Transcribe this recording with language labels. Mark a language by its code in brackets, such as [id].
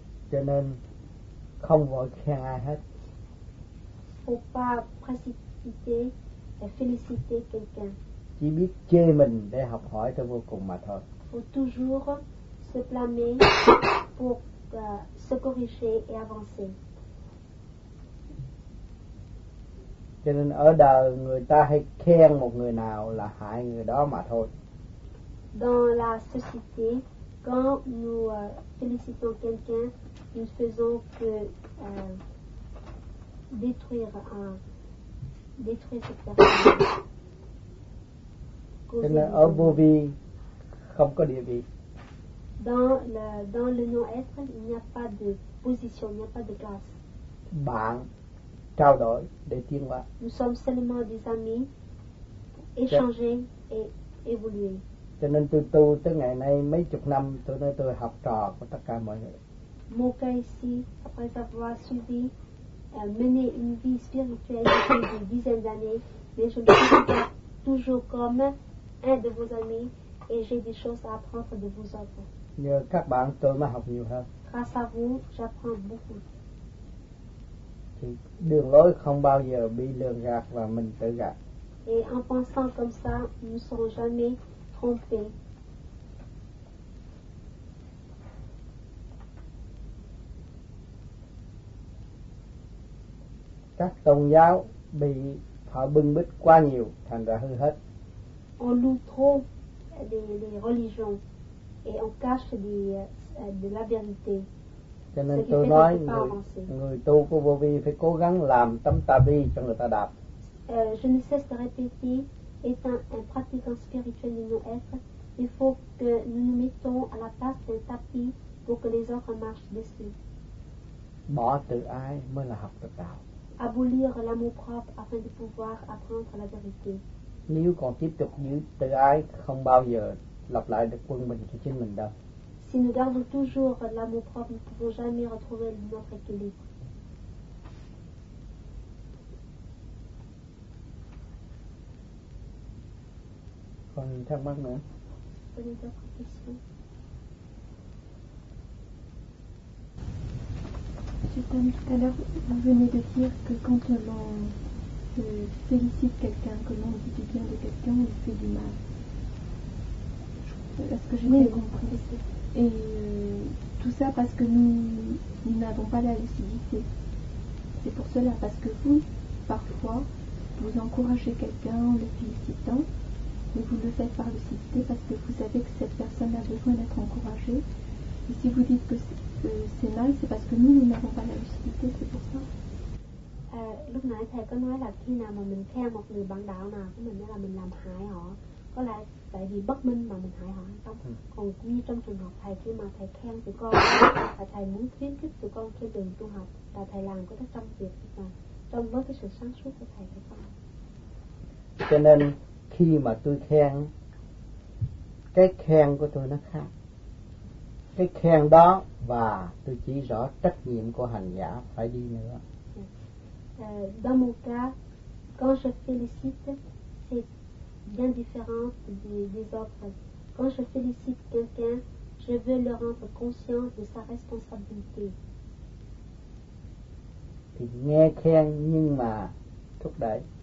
[vi] Cho nên không vội khen ai hết. [fr] Faut pas précipiter et féliciter quelqu'un. [vi] Chỉ biết chê mình để học hỏi cho vô cùng mà thôi. [fr] Faut toujours se blâmer pour se corriger et avancer. [vi] Cho nên ở đời người ta hay khen một người nào là hại người đó mà thôi. [fr] Dans la société, quand nous félicitons quelqu'un, nous faisons que détruire cette personne. [vi] Là, ở vô vi không có địa vị. [fr] Dans le non-être, il n'y a pas de position, il n'y a pas de classe. [vi] Bạn trao đổi để tiến hóa. [fr] Nous sommes seulement des amis, échanger et évoluer. [vi] Cho nên tôi tu tới ngày nay mấy chục năm, tôi nói tôi học trò của tất cả mọi người. [fr] Mon cas ici, après avoir suivi, mené une vie spirituelle depuis des dizaines d'années, mais je me sens toujours comme un de vos amis et j'ai des choses à apprendre de vous autres. [vi] Nhờ các bạn tôi mới học nhiều hơn. [fr] Grâce à vous, j'apprends beaucoup. [vi] Thì đường lối không bao giờ bị lường gạt và mình tự gạt. [fr] Et en pensant comme ça, nous ne serons jamais trompés. [vi] Các tôn giáo bị họ bưng bít quá nhiều thành ra hư hết. [fr] On loue trop les religions et on cache de la vérité. [vi] Cho nên tôi nói người tu của vô vi phải cố gắng làm tấm ta bi cho người ta đạp. [fr] Je ne cesse de répéter, étant un pratiquant spirituel de non-être, il faut que nous nous mettons à la place d'un tapis pour que les autres marchent dessus. [vi] Bỏ tự ai mới là học được đạo. [fr] Abolir l'amour propre afin de pouvoir apprendre la vérité. [vi] Nếu còn tiếp tục giữ tự ai, không bao giờ lập lại được quân mình cho chính mình đâu. [fr] Si nous gardons toujours l'amour propre, nous ne pouvons jamais retrouver notre équilibre. [vi] Còn thắc mắc nữa. Còn [fr] une autre question. Monsieur Tan, tout à l'heure, vous venez de dire que quand on félicite quelqu'un, comment on dit du bien de quelqu'un, on fait du mal. Est-ce que j'ai bien compris? Et tout ça parce que nous n'avons pas la lucidité. C'est pour cela, parce que vous, parfois, vous encouragez quelqu'un en le félicitant, mais vous le faites par lucidité parce que vous savez que cette personne a besoin d'être encouragée. Et si vous dites que c'est mal, c'est parce que nous n'avons pas la lucidité, c'est pour ça. [vi] Lúc nãy thầy có nói là khi nào mà mình khen một người bạn đạo nào của mình là mình làm hại họ, có lẽ tại vì bất minh mà mình hại họ hay không? Còn như trong trường hợp thầy, khi mà thầy khen tụi con và thầy muốn khuyến khích tụi con trên đường tu học, là thầy làm có rất trong việc mà trong với cái sự sáng suốt của thầy hay không? Cho nên khi mà tôi khen, cái khen của tôi nó khác. Cái khen đó và tôi chỉ rõ trách nhiệm của hành giả phải đi nữa. [fr] Dans mon cas, quand je félicite, c'est bien différent des autres. Quand je félicite quelqu'un, je veux le rendre conscient de sa responsabilité. [vi] Thì nghe khen nhưng mà thúc đẩy.